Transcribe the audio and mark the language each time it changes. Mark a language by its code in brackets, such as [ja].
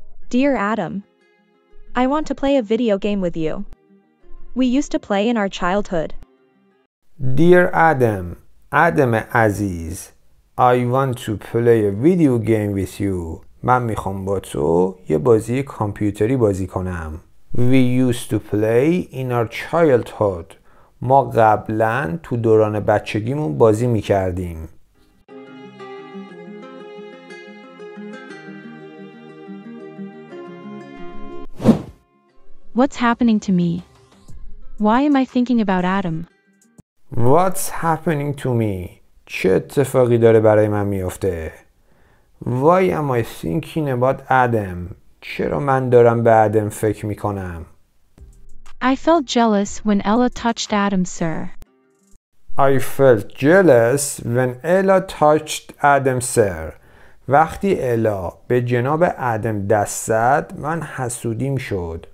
[en] Dear Adam, I want to play a video game with you. We used to play in our childhood. Dear Adam, [fa] آدم عزیز, [en] I want to play a video game with you. [fa] من میخوام با تو یه بازی کامپیوتری بازی کنم. [en] We used to play in our childhood. [fa] ما قبلاً تو دوران بچگیمون بازی می‌کردیم. [en] What's happening to me? Why am I thinking about Adam? What's happening to me? [fa] چه اتفاقی داره برای من می‌افته؟ [en] Why am I thinking about Adam? [fa] چرا من دارم به آدم فکر میکنم؟ [en] I felt jealous when Ella touched Adam, sir. I felt jealous when Ella touched Adam, sir. [fa] وقتی الا به جناب آدم دست زد، من حسودیم شد.